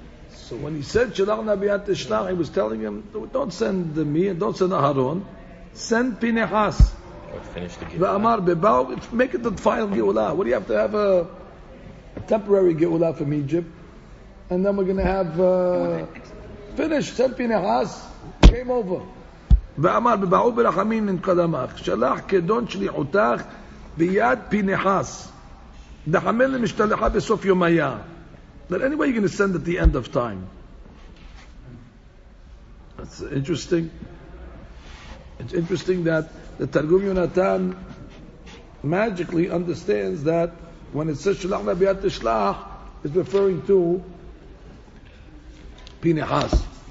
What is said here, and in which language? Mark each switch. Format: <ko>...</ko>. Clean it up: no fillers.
<en>So when he said</en> <he>shalach nabiyat eshlach,</he> <en>he was telling him, don't send me, don't send Aharon, send Pinhas.</en> <he>V'amar bebao,</he> <en>make it the final geula. What do you have to have a temporary geula from Egypt, and then we're going to have finished? Send Pinhas. Came over.</en> <arc>ואמר בבאו ברחמים מן קדמך שלח כדון שליחותך ביד פינחס דחמל למשתלחה בסוף יומיה.</arc> <en>But anyway, you're going to send at the end of time. That's interesting. It's interesting that the Targum Yonatan magically understands that when it says</en> <he>שלח לביד תשלח,</he> <en>it's referring to פינחס.</en>